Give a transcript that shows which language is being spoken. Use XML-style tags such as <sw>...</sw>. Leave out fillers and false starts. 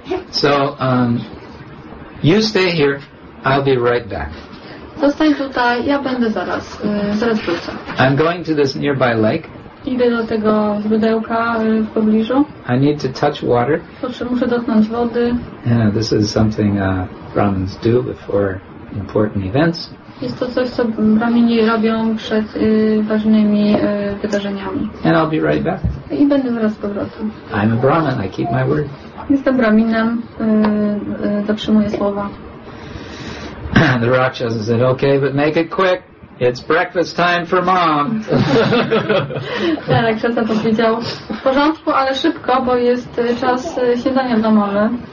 <en>So you stay here, I'll be right back.</en> <pl>Zostań tutaj, ja będę zaraz. Zaraz wrócę.</pl> <en>I'm going to this nearby lake.</en> <pl>Idę do tego źródełka w pobliżu.</pl> <en>I need to touch water.</en> <pl>Muszę dotknąć wody.</pl> <en>Yeah, this is something Brahmins do before important events.</en> <pl>Jest to coś, co Brahmini robią przed ważnymi wydarzeniami.</pl> <en>And I'll be right back.</en> <pl>I będę zaraz z powrotem.</pl> <en>I'm a Brahmin, I keep my word.</en> <pl>Jestem Brahminem, dotrzymuję słowa.</pl> <en>The Rakshasa said, okay, but make it quick. It's breakfast time for mom.</en> <pl>Tak, Rakshasa powiedział, w porządku, ale szybko, bo jest czas śniadania domowy.</pl>